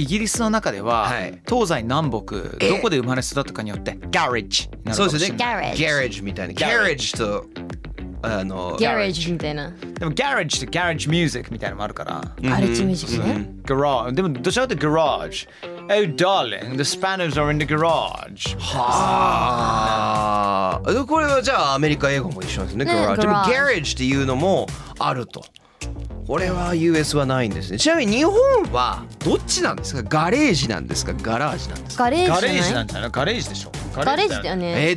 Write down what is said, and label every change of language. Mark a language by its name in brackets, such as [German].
[Japanese] いや、イギリスの中では、はい、東西南北どこで生まれ育ったかによってガレッジ、そうですね、ガレッジ、ガレッジみたいな、ガレッジとあのガレージみたいな。でもガレージってガレージミュージックみたいなのもあるから。ガレージミュージックね。ガラージ。でもどちらかというとガラージ。 [English] Oh darling, the Spanners are in the garage. [Japanese] はあ。これはじゃあアメリカ英語も一緒ですね。ガラージ。でもガレージっていうのもあると。これは US はないんですね。ちなみに日本はどっちなんですか。ガレージなんですか。ガラージなんですか。ガレージじゃない。ガレージなんじゃない。ガレージでしょ。ガレージだよね。